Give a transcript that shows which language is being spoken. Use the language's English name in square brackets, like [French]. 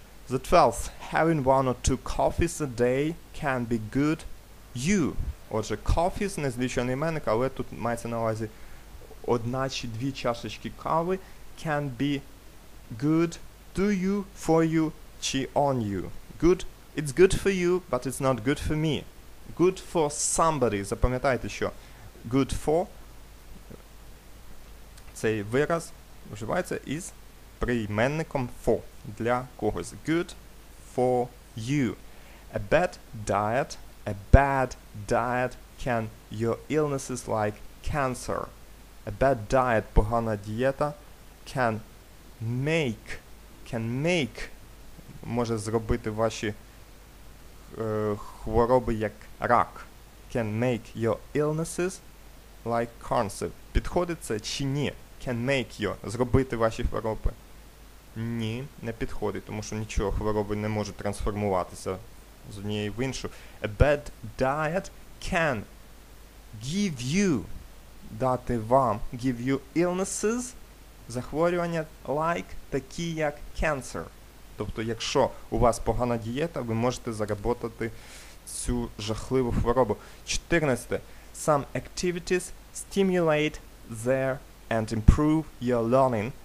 [English] The 12th, having one or two coffees a day can be good you. [Ukrainian] Отже, coffees, не злічений іменник, але тут мається на увазі одна чи дві чашечки кави [English] can be good to you, for you, [Ukrainian] чи on you. [English] Good, it's good for you, but it's not good for me. Good for somebody. [Ukrainian] Запам'ятайте, що good for, цей вираз вживається із прийменником for, для когось. [English] Good for you. A bad diet can your illnesses like cancer. A bad diet, [Ukrainian] погана дієта, [English] can make, [Ukrainian] може зробити ваші хвороби як рак. [English] Can make your illnesses like cancer. [Ukrainian] Підходить це чи ні? [English] Can make your, [Ukrainian] зробити ваші хвороби? Ні, не підходить, тому що нічого, хвороби не можуть трансформуватися з однієї в іншу. [English] A bad diet can give you, [Ukrainian] дати вам, [English] give you illnesses, захворювання like, [Ukrainian] такі як [English] cancer. [Ukrainian] Тобто, якщо у вас погана дієта, ви можете заработати цю жахливу хворобу. 14. [English] Some activities stimulate there and improve your learning.